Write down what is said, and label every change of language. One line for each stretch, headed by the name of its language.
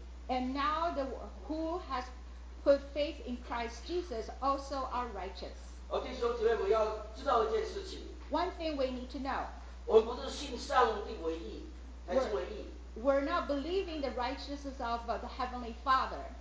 English: And now the who has put faith in Christ Jesus also are righteous.
Chinese: 弟兄姐妹们要知道一件事情,
English: one thing we need to know.
Chinese: 我们不是信上帝为义,
English: we're not believing the righteousness of the Heavenly Father.